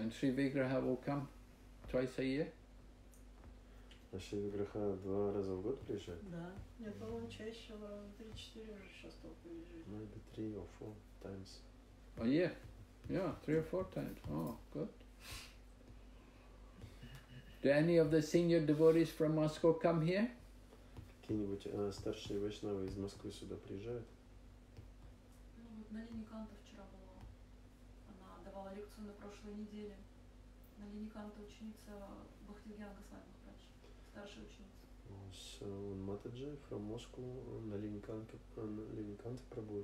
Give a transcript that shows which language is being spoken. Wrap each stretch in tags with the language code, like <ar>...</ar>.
<en>And Sri Vigraha will come twice a year?</en> <ru>А Шри Вигроха два раза в год приезжает? Да. Нет, он чаще, в 3-4 уже сейчас только приезжает.</ru> <en>Maybe 3 or 4 times. A year? Yeah, 3 or 4 times. Oh, good. Do any of the senior devotees from Moscow come here?</en> <ru>Какие-нибудь старшие вайшнавы из Москвы сюда приезжают? Ну, вот Налини Канта вчера была. Она давала лекцию на прошлой неделе. Налини Канта ученица Бхактивьянга Свамих Прадж. Старшая ученица.</ru> <en>So, Матаджи from Moscow. Налини Канта Прабху.</en>